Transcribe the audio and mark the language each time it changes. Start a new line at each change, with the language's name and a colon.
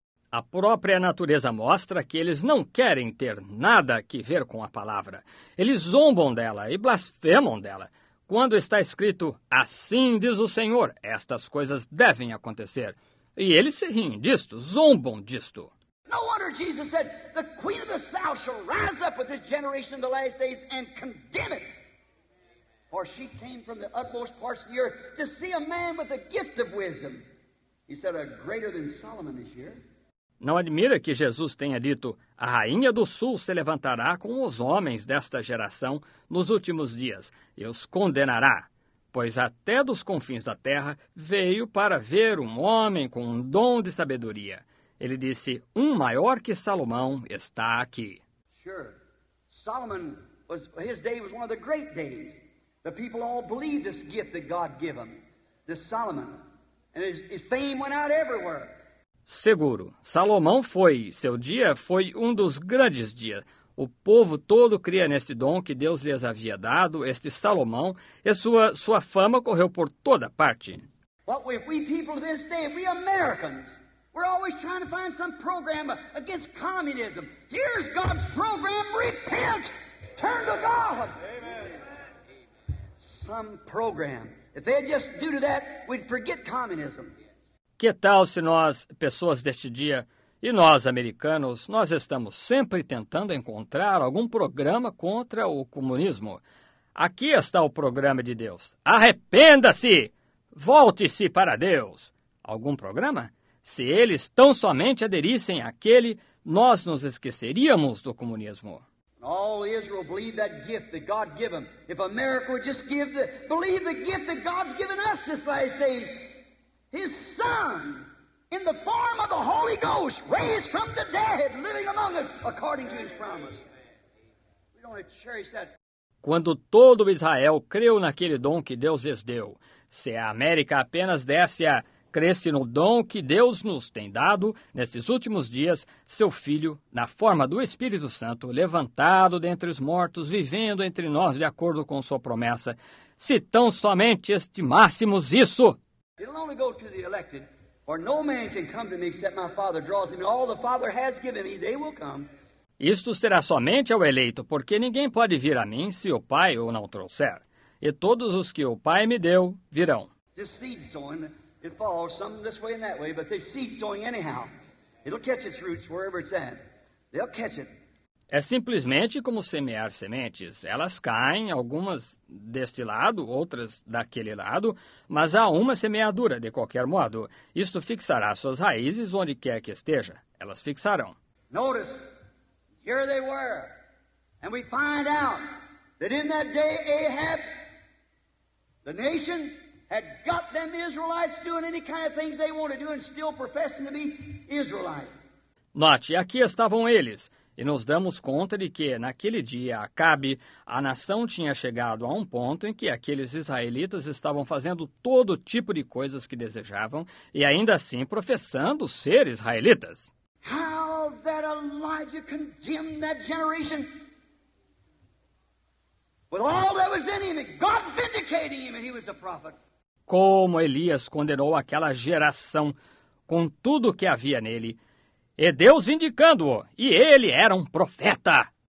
Portuguese: A própria natureza mostra que eles não querem ter nada que ver com a palavra. Eles zombam dela e blasfemam dela. Quando está escrito, assim diz o Senhor, estas coisas devem acontecer. E eles se riem disto, zombam disto.
English: No wonder Jesus said, the queen of the south shall rise up with this generation in the last days and condemn it. For she came from the utmost parts of the earth to see a man with the gift of wisdom. He said, a greater than Solomon is here.
Portuguese: Não admira que Jesus tenha dito, a rainha do sul se levantará com os homens desta geração nos últimos dias e os condenará, pois até dos confins da terra veio para ver um homem com um dom de sabedoria. Ele disse, um maior que Salomão está aqui.
English: Sure. Solomon, his day was one of the great days. The people all believed this gift that God gave him, this Solomon. And his fame went out everywhere.
Portuguese: Seguro, Salomão foi, seu dia foi um dos grandes dias. O povo todo cria neste dom que Deus lhes havia dado, este Salomão, e sua fama correu por toda parte.
English: We people this day, we Americans, we're always trying to find some program against communism. Here's God's program, repent, turn to God. Amen. Some program. If they just do to that, we'd forget communism.
Portuguese: Que tal se nós, pessoas deste dia, e nós, americanos, nós estamos sempre tentando encontrar algum programa contra o comunismo? Aqui está o programa de Deus. Arrependa-se! Volte-se para Deus! Algum programa? Se eles tão somente aderissem àquele, nós nos esqueceríamos do comunismo.
English: All Israel believe that gift that God gave them. If America would just believe the gift that God's given us this last days. His son, in the form of the Holy Ghost, raised from the dead, living among us, according to his promise. We don't want to cherish that.
Portuguese: Quando todo Israel creu naquele dom que Deus lhes deu, se a América apenas desse a cresce no dom que Deus nos tem dado, nesses últimos dias, seu filho, na forma do Espírito Santo, levantado dentre os mortos, vivendo entre nós de acordo com sua promessa, se tão somente estimássemos isso.
English: It'll only go to the elected, for no man can come to me except my Father draws him. All the Father has given me, they will come.
Portuguese: Isto será somente ao eleito, porque ninguém pode vir a mim se o Pai o não trouxer. E todos os que o Pai me deu virão.
English: This seed sowing, it falls some this way and that way, but this seed sowing anyhow. It'll catch its roots wherever it's at. They'll catch it.
Portuguese: É simplesmente como semear sementes. Elas caem, algumas deste lado, outras daquele lado, mas há uma semeadura, de qualquer modo. Isto fixará suas raízes onde quer que esteja. Elas fixarão.
English: Notice, here they were. And we find out that in that day Ahab, the nation, had got them Israelites doing any kind of things they wanted to do and still professing to be Israelites.
Portuguese: Note, aqui estavam eles. E nos damos conta de que, naquele dia, Acabe, a nação tinha chegado a um ponto em que aqueles israelitas estavam fazendo todo tipo de coisas que desejavam e ainda assim professando ser israelitas.
English: How that Elijah condemned that generation with all that was in him, God vindicating him, and he was a prophet.
Portuguese: Como Elias condenou aquela geração com tudo que havia nele, e Deus vindicando-o, e ele era um profeta.